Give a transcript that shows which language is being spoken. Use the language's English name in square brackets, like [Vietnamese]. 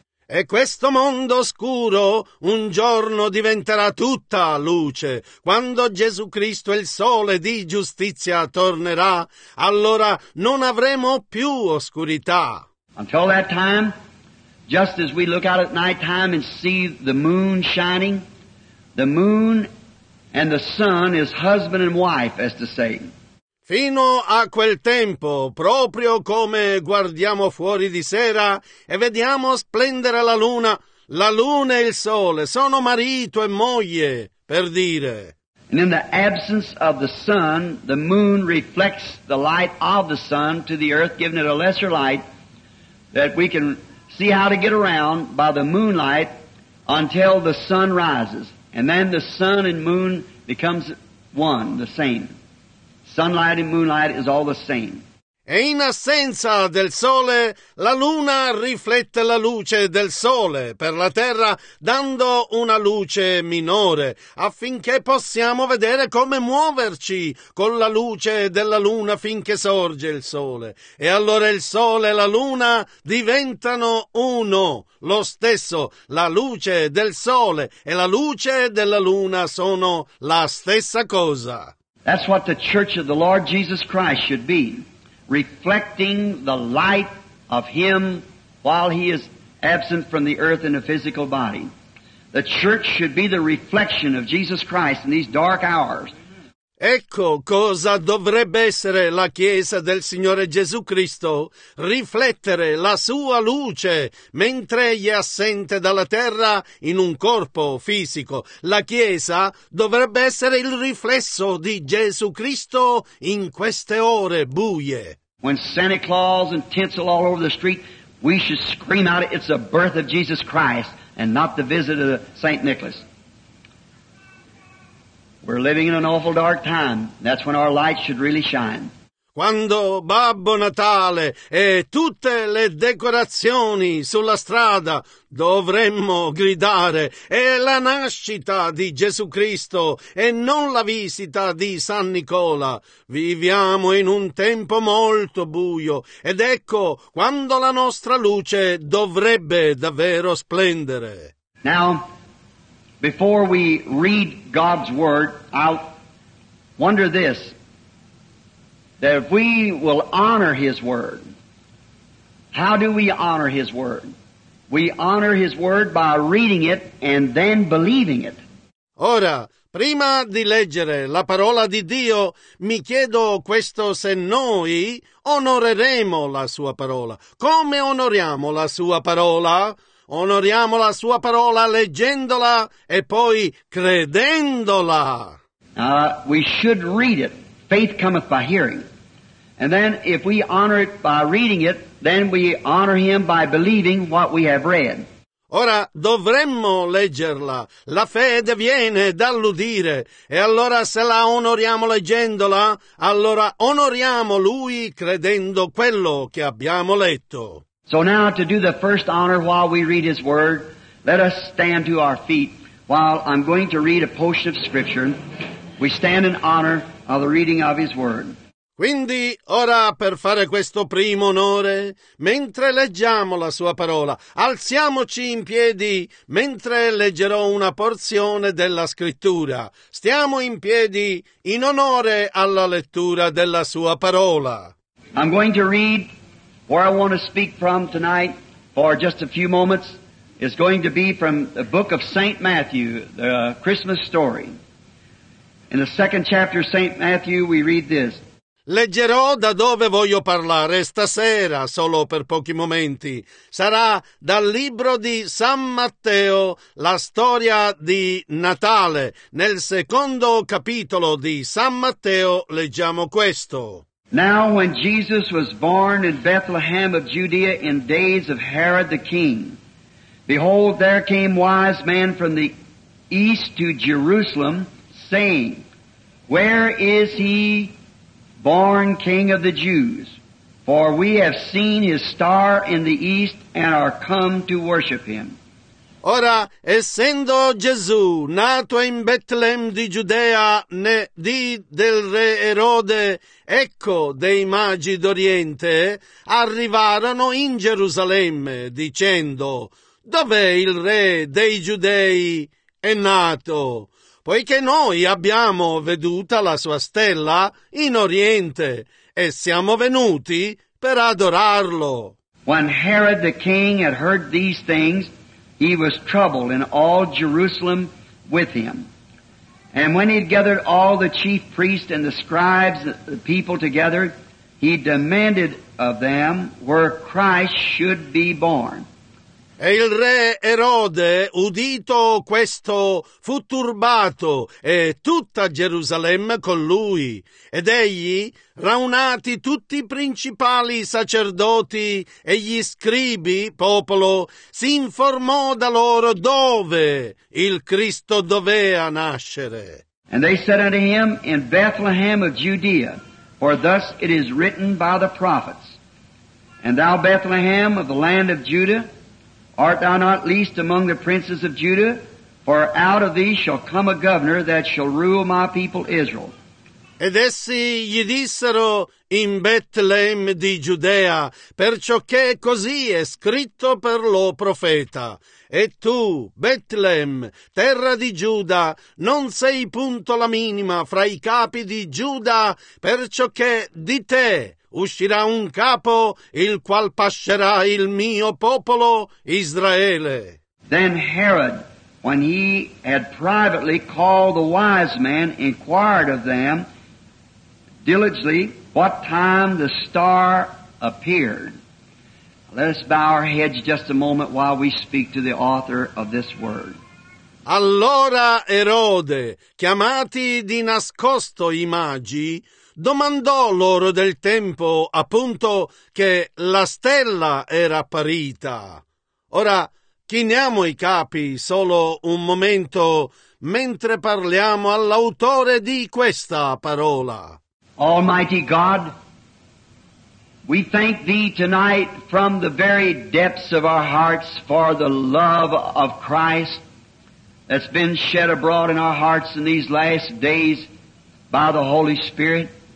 [Italian] E questo mondo oscuro un giorno diventerà tutta luce. Quando Gesù Cristo, il sole di giustizia, tornerà, allora non avremo più oscurità. [English] Until that time, just as we look out at night time and see the moon shining, the moon and the sun is husband and wife, as to Satan. [Italian] Fino a quel tempo, proprio come guardiamo fuori di sera e vediamo splendere la luna e il sole sono marito e moglie, per dire. [English] And in the absence of the sun, the moon reflects the light of the sun to the earth, giving it a lesser light that we can see how to get around by the moonlight until the sun rises. And then the sun and moon becomes one, the same. Sunlight and moonlight is all the same. [Italian] E in assenza del sole, la luna riflette la luce del sole per la terra, dando una luce minore, affinché possiamo vedere come muoverci con la luce della luna finché sorge il sole. E allora il sole e la luna diventano uno, lo stesso. La luce del sole e la luce della luna sono la stessa cosa. [English] That's what the Church of the Lord Jesus Christ should be, reflecting the light of Him while He is absent from the earth in a physical body. The Church should be the reflection of Jesus Christ in these dark hours. [Italian] Ecco cosa dovrebbe essere la Chiesa del Signore Gesù Cristo, riflettere la sua luce mentre egli è assente dalla terra in un corpo fisico. La Chiesa dovrebbe essere il riflesso di Gesù Cristo in queste ore buie. [English] When Santa Claus and tinsel all over the street, we should scream out, it's the birth of Jesus Christ and not the visit of St. Nicholas. We're living in an awful dark time. That's when our light should really shine. [Italian] Quando Babbo Natale e tutte le decorazioni sulla strada, dovremmo gridare, è la nascita di Gesù Cristo e non la visita di San Nicola. Viviamo in un tempo molto buio ed ecco quando la nostra luce dovrebbe davvero splendere. [English] Now, before we read God's Word, I wonder this, that if we will honor His Word, how do we honor His Word? We honor His Word by reading it and then believing it. [Italian] Ora, prima di leggere la parola di Dio, mi chiedo questo, se noi onoreremo la Sua parola. Come onoriamo la Sua parola? Onoriamo la sua parola leggendola e poi credendola. [English] We should read it. Faith cometh by hearing. And then if we honor it by reading it, then we honor him by believing what we have read. [Italian] Ora dovremmo leggerla. La fede viene dall'udire. E allora se la onoriamo leggendola, allora onoriamo lui credendo quello che abbiamo letto. [English] So now, to do the first honor while we read His Word, let us stand to our feet while I'm going to read a portion of Scripture. We stand in honor of the reading of His Word. [Italian] Quindi, ora, per fare questo primo onore, mentre leggiamo la Sua parola, alziamoci in piedi mentre leggerò una porzione della Scrittura. Stiamo in piedi in onore alla lettura della Sua parola. [English] I'm going to read where I want to speak from tonight for just a few moments is going to be from the book of St. Matthew, the Christmas story. In the second chapter of St. Matthew, we read this. [Italian] Leggerò da dove voglio parlare stasera, solo per pochi momenti. Sarà dal libro di San Matteo, la storia di Natale. Nel secondo capitolo di San Matteo leggiamo questo. [English] Now when Jesus was born in Bethlehem of Judea in days of Herod the king, behold, there came wise men from the east to Jerusalem, saying, Where is he born king of the Jews? For we have seen his star in the east and are come to worship him. [Italian] Ora, essendo Gesù nato in Betlem di Giudea, né di del re Erode, ecco dei magi d'Oriente, arrivarono in Gerusalemme, dicendo, Dov'è il re dei Giudei? È nato, poiché noi abbiamo veduta la sua stella in Oriente e siamo venuti per adorarlo. [English] When Herod the king had heard these things, he was troubled, and all Jerusalem with him. And when he had gathered all the chief priests and the scribes, the people together, he demanded of them where Christ should be born. [Italian] E il re Erode, udito questo, fu turbato, e tutta Gerusalemme con lui. Ed egli, raunati tutti i principali sacerdoti e gli scribi, popolo, si informò da loro dove il Cristo dovea nascere. [English] And they said unto him, In Bethlehem of Judea, for thus it is written by the prophets, And thou Bethlehem of the land of Judah, Art thou not least among the princes of Judah? For out of thee shall come a governor that shall rule my people Israel. [Italian] Ed essi gli dissero in Betlehem di Giudea, perciò che così è scritto per lo profeta. E tu, Betlehem, terra di Giuda, non sei punto la minima fra i capi di Giuda, perciò che di te uscirà un capo il qual pascerà il mio popolo Israele. [English] Then Herod, when he had privately called the wise men, inquired of them diligently what time the star appeared. Let us bow our heads just a moment while we speak to the author of this word. [Italian] Allora Erode, chiamati di nascosto i magi, domandò loro del tempo, appunto, che la stella era apparita. Ora, chiniamo i capi solo un momento mentre parliamo all'autore di questa parola. [English] Almighty God, we thank Thee tonight from the very depths of our hearts for the love of Christ that's been shed abroad in our hearts in these last days by the Holy Spirit.